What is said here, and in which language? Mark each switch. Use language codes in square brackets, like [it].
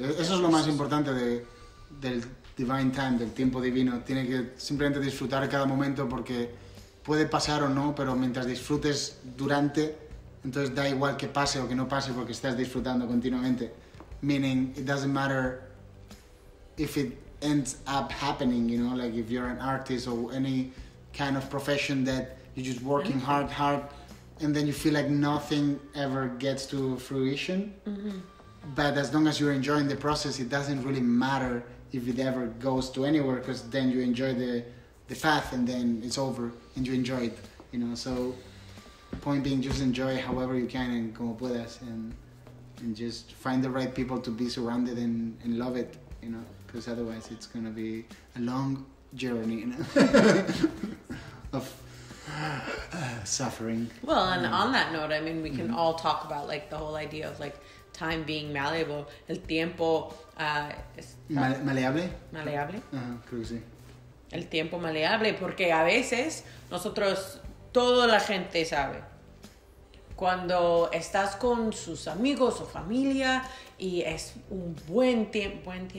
[es] Eso es lo más importante del [en] divine time, [es] del tiempo divino. Tiene que simplemente disfrutar cada momento, porque puede pasar o no, pero mientras disfrutes durante, entonces da igual que pase o que no pase, porque estás disfrutando continuamente. [en] Meaning, it doesn't matter if it ends up happening, you know, like if you're an artist or any kind of profession that you're just working hard, and then you feel like nothing ever gets to fruition. Mm-hmm. But as long as you're enjoying the process, it doesn't really matter if it ever goes to anywhere, because then you enjoy the path, and then it's over and you enjoy it, you know. So point being, just enjoy however you can and [es] como puedas, [en] and just find the right people to be surrounded and love it, you know, because otherwise it's going to be a long journey, you know, of suffering. Well, and on that note, I mean, we can all talk about like the whole idea of like time being malleable, [es] el tiempo maleable. Creo que sí. El tiempo maleable, porque a veces nosotros, toda la gente sabe, cuando estás con sus amigos o familia y es un buen tiempo.